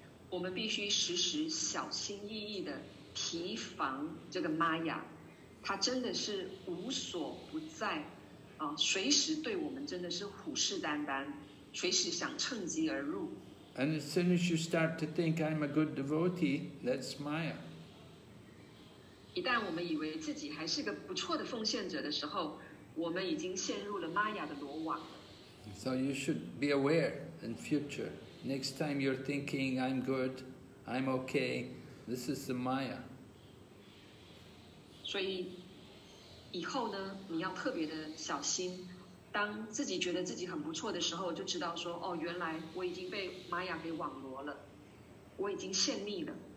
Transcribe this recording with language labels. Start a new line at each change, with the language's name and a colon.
Chinese: 我们必须时时小心翼翼地提防这个 Maya， 她真的是无所不在，随时对我们真的是虎视眈眈，随时想趁机而入。
English: And as soon as you start to think I'm a good devotee, that's Maya.
Chinese: 一旦我们以为自己还是个不错的奉献者的时候，我们已经陷入了 Maya 的罗网。
English: So you should be aware in future. Next time you're thinking I'm good, I'm okay, this is the Maya.
Chinese: 所以以后呢，你要特别的小心。当自己觉得自己很不错的时候，就知道说，哦，原来我已经被玛雅给网罗了，我已经陷溺了。